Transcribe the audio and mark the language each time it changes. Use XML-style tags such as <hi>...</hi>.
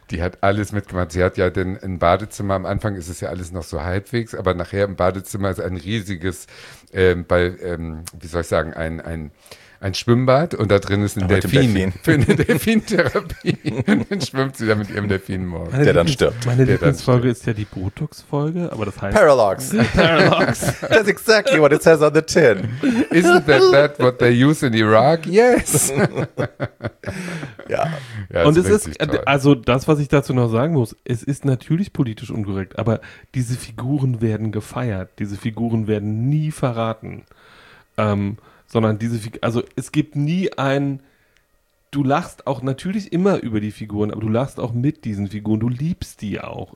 <de>Die hat alles mitgemacht. Sie hat ja denn im Badezimmer, am Anfang ist es ja alles noch so halbwegs, aber nachher im Badezimmer ist ein riesiges, wie soll ich sagen, ein Schwimmbad und da drin ist ein Delfin. Für eine Delfintherapie. Dann schwimmt sie da mit ihrem Delfin morgen. Der dann stirbt. Meine Lieblingsfolge ist ja die Botox-Folge, aber das heißt. Parallax.</de> <en>That's exactly what it says on the tin. Isn't that what they use in Iraq? Yes.</en> <de>Ja. Und es ist, also das, was ich dazu noch sagen muss, es ist natürlich politisch unkorrekt, aber diese Figuren werden gefeiert. Diese Figuren werden nie verraten. Sondern diese Figuren, also es gibt nie ein, du lachst auch natürlich immer über die Figuren, aber du lachst auch mit diesen Figuren, du liebst die auch.</de>